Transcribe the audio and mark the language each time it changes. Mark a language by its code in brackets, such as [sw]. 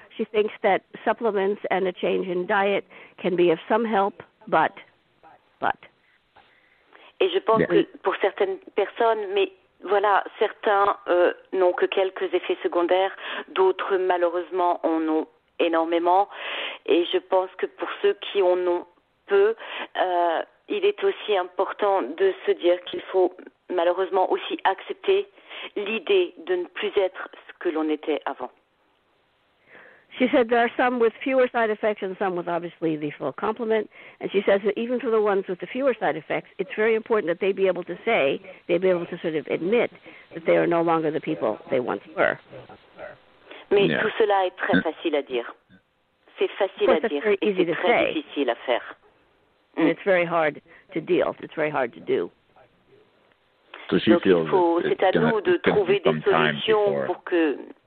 [en] She thinks that supplements and a change in diet can be of some help, but. [fr] Et je pense que pour certaines personnes, mais voilà, certains n'ont que quelques effets secondaires, d'autres malheureusement en ont énormément. Et je pense que pour ceux qui en ont peu, il est aussi important de se dire qu'il faut malheureusement aussi accepter l'idée de ne plus être ce que l'on était avant. [en] She said there are some with fewer side effects and some with obviously the full complement. And she says that even for the ones with the fewer side effects, it's very important that they be able to say, they be able to sort of admit that they are no longer the people they once were. [fr] Mais tout cela est très facile à dire. C'est facile à dire et c'est très difficile à faire. [en] And it's very hard to deal. It's very hard to do. So she feels [fr] c'est à nous de trouver des solutions pour que...